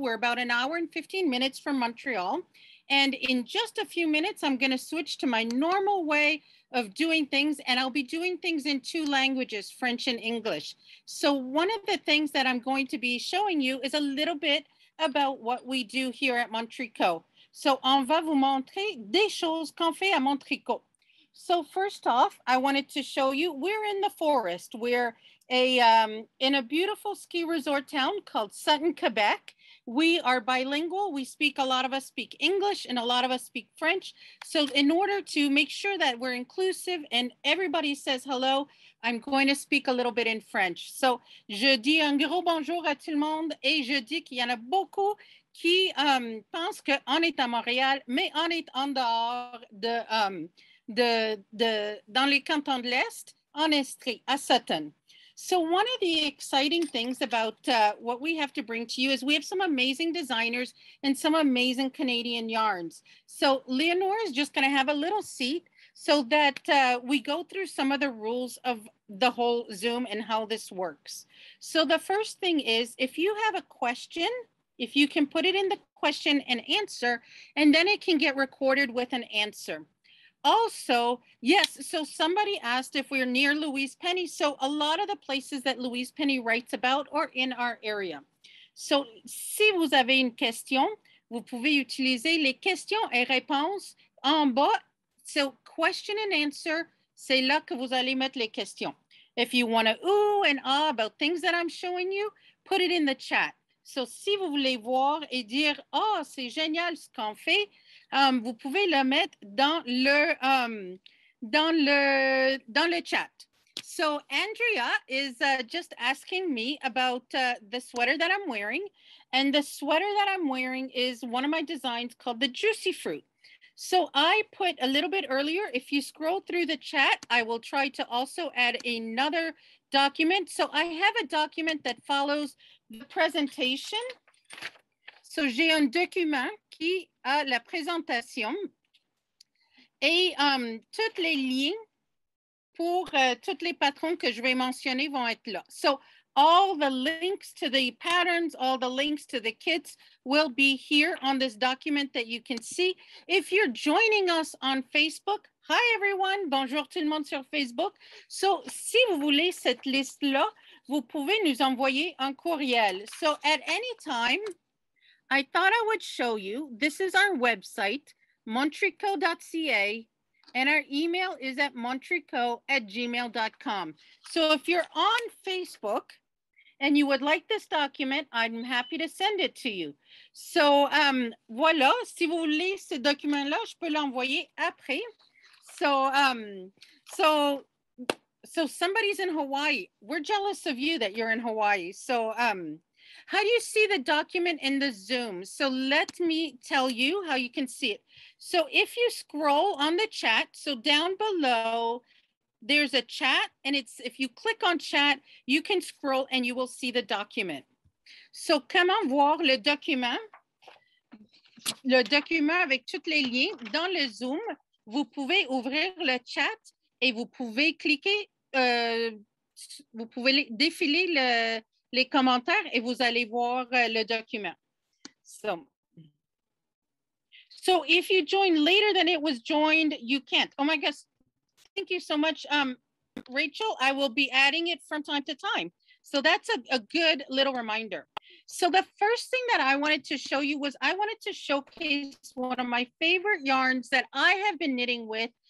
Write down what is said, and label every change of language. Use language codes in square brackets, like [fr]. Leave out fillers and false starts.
[en] We're about an hour and 15 minutes from Montreal. And in just a few minutes, I'm going to switch to my normal way of doing things. And I'll be doing things in two languages, French and English. So one of the things that I'm going to be showing you is a little bit about what we do here at MontTricot. [fr] So on va vous montrer des choses qu'on fait à MontTricot. [en] So first off, I wanted to show you, we're in the forest. We're in a beautiful ski resort town called Sutton, Quebec. We are bilingual. We speak, a lot of us speak English and a lot of us speak French. So in order to make sure that we're inclusive and everybody says hello, I'm going to speak a little bit in French. [fr] So je dis un gros bonjour à tout le monde et je dis qu'il y en a beaucoup qui pensent qu'on est à Montréal, mais on est en dehors de... dans les cantons de l'Est, en Estrie, à Sutton. [en] So one of the exciting things about what we have to bring to you is we have some amazing designers and some amazing Canadian yarns. So Leonora is just going to have a little seat so that we go through some of the rules of the whole Zoom and how this works. So the first thing is, if you have a question, if you can put it in the question and answer, and then it can get recorded with an answer. Also, yes, so somebody asked if we're near Louise Penny. So a lot of the places that Louise Penny writes about are in our area. [fr] So si vous avez une question, vous pouvez utiliser les questions et réponses en bas. So [en] question and answer, [fr] c'est là que vous allez mettre les questions. [en] If you want to ooh and ah about things that I'm showing you, put it in the chat. [fr] So si vous voulez voir et dire, oh, c'est génial ce qu'on fait, vous pouvez le mettre dans le chat. [en] So Andrea is just asking me about the sweater that I'm wearing. And the sweater that I'm wearing is one of my designs called the Juicy Fruit. So I put a little bit earlier, if you scroll through the chat, I will try to also add another document. So I have a document that follows the presentation. [fr] So j'ai un document qui a la présentation et toutes les liens pour toutes les patrons que je vais mentionner vont être là. [en] So all the links to the patterns, all the links to the kits will be here on this document that you can see. If you're joining us on Facebook, hi everyone, [fr] bonjour tout le monde sur Facebook. So si vous voulez cette liste-là, vous pouvez nous envoyer un courriel. [en] So at any time, I thought I would show you, this is our website, montrico.ca, and our email is at montrico@gmail.com. So if you're on Facebook and you would like this document, I'm happy to send it to you. [fr] So voilà, si vous voulez ce document-là, je peux l'envoyer après. [en] So, so somebody's in Hawaii. We're jealous of you that you're in Hawaii. So, how do you see the document in the Zoom? So let me tell you how you can see it. So if you scroll on the chat, so down below, there's a chat, and it's, if you click on chat, you can scroll and you will see the document. [fr] So comment voir le document avec toutes les liens dans le Zoom, vous pouvez ouvrir le chat et vous pouvez cliquer, vous pouvez défiler le les commentaires et vous allez voir le document. [en] So if you join later than it was joined, you can't. Oh my gosh, thank you so much, Rachel. I will be adding it from time to time. So that's a good little reminder. So the first thing that I wanted to show you was I wanted to showcase one of my favorite yarns that I have been knitting with.